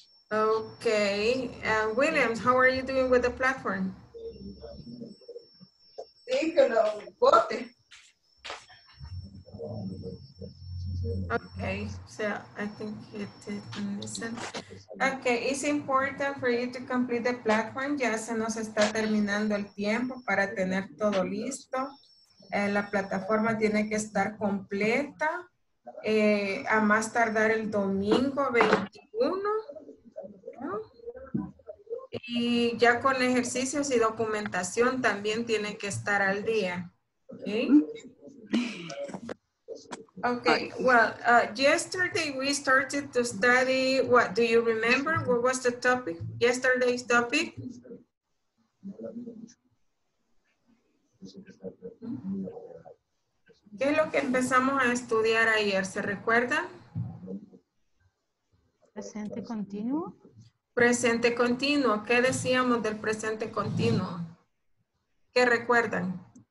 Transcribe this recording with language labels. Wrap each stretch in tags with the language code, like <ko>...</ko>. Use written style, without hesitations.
<en>Okay, Williams, how are you doing with the platform? Okay, so I think it didn't listen. Okay, it's important for you to complete the platform.</en> <es>Ya se nos está terminando el tiempo para tener todo listo. La plataforma tiene que estar completa. A más tardar el domingo 21. ¿No? Y ya con ejercicios y documentación también tiene que estar al día.</es> <en>Okay. Okay, well, yesterday we started to study, what, do you remember? What was the topic, yesterday's topic?</en> <es>¿Qué es lo que empezamos a estudiar ayer, se recuerda? Presente continuo. Presente continuo, ¿qué decíamos del presente continuo? ¿Qué recuerdan?</es>